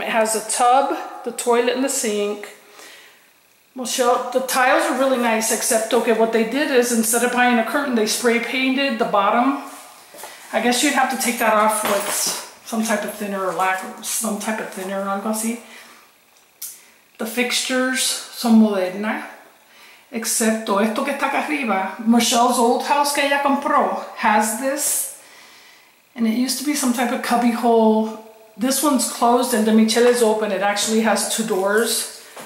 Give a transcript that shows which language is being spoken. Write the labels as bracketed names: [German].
[English] It has a tub, the toilet, and the sink. Michelle, the tiles are really nice, except, okay, what they did is instead of buying a curtain, they spray painted the bottom. I guess you'd have to take that off with some type of thinner or lacquer, some type of thinner, [Spanish] algo así. The fixtures, son moderna, excepto esto que está acá arriba. [English] Michelle's old house [Spanish] que ella compró [English] has this. And it used to be some type of cubby hole. This one's closed and the Michelle is open. It actually has two doors.